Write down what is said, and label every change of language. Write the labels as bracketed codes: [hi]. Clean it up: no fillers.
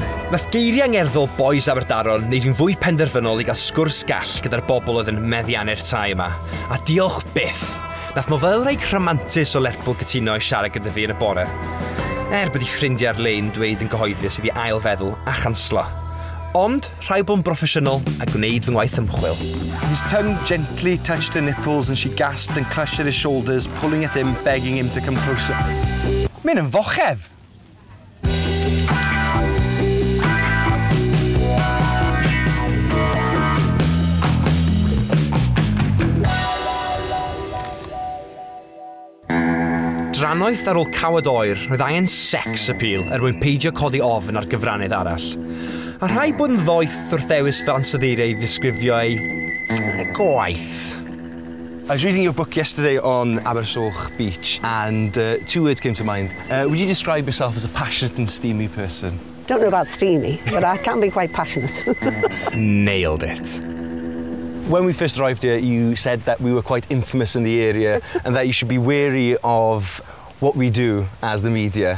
[cy] Nath geiriau angerddol bois Aberdaron wneud yn fwy penderfynol I gael sgwrs gall gyda'r bobl oedd yn meddiannu'r tai yma. A diolch byth, nath mofelraig rhamantus o Lerpwl Cytuno I siarad gyda fi yn y bore. Bod ei ffrindiau ar lein dweud yn gyhoeddus iddi ailfeddwl a chanslo. Ond rhaid bod yn broffesiynol a gwneud fy ngwaith ymchwil. [en] His tongue gently touched her nipples and she gasped and clutched at his shoulders, pulling at him, begging him to come closer. [cy] Mae'n yn fochedd! Drannoeth ar ôl cawod oer, roedd angen sex appeal er mwyn peidio codi ofn ar gyfrannydd arall. A rhai bod yn ddoeth wrth ewis fel ansoddeiriau I ddisgrifio ei... gwaith. [en] I was reading your book yesterday on Abersoch Beach and two words came to mind. Would you describe yourself as a passionate and steamy person? Don't know about steamy, but I can be quite passionate. Nailed it. When we first arrived here, you said that we were quite infamous in the area and that you should be wary of what we do as the media.